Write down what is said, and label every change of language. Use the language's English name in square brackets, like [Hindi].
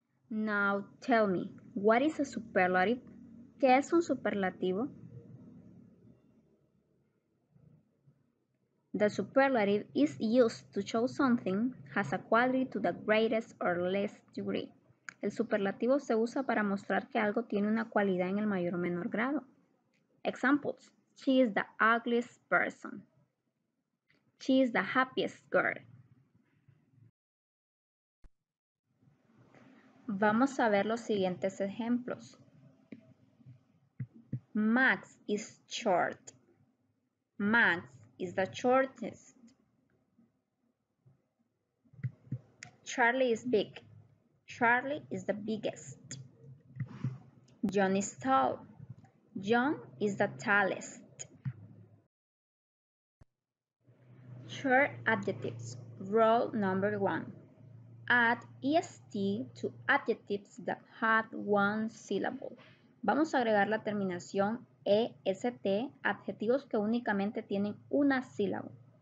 [English] Now tell me, what is a superlative? [Spanish] ¿Qué es un superlativo? [English] The superlative is used to show something has a quality to the greatest or less degree. [Spanish] El superlativo se usa para mostrar que algo tiene una cualidad en el mayor o menor grado. [English] Examples: she is the ugliest person. She is the happiest girl. [Spanish] Vamos a ver los siguientes ejemplos. [English] Max is short. Max is the shortest. Charlie is big. Charlie is the biggest. John is tall. John is the tallest. Short adjectives. Rule number one. Add EST to adjectives that have one syllable. [Spanish] Vamos a agregar la terminación EST, adjetivos que únicamente tienen una sílaba.